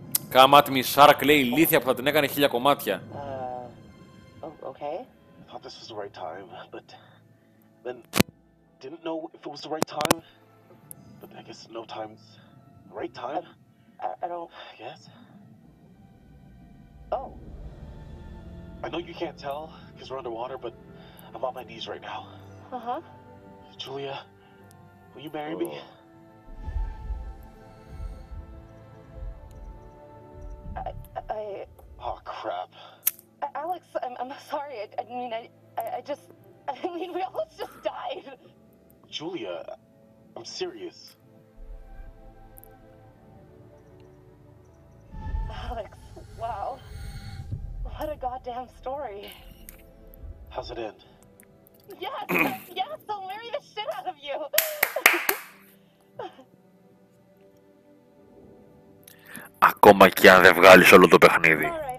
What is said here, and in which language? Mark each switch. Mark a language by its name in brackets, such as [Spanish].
[English] Come at me, shark, [Greek] λέει ηλίθεια που θα την έκανε χίλια κομμάτια. [English] Okay. I thought this was the right time, but then didn't know if it was the right time. But I guess no time's the right time. I don't... Yes? Oh. I know you can't tell, because we're underwater, but I'm on my knees right now. Uh-huh. Julia, will you marry me? I... Oh, crap. Alex, I'm sorry. I mean, we almost just died. Julia, I'm serious. Alex, wow. What a goddamn story. How's it end? Yes, yes, I'll marry the shit out of you. Ah! [Greek] ακόμα και αν δεν βγάλεις όλο το παιχνίδι.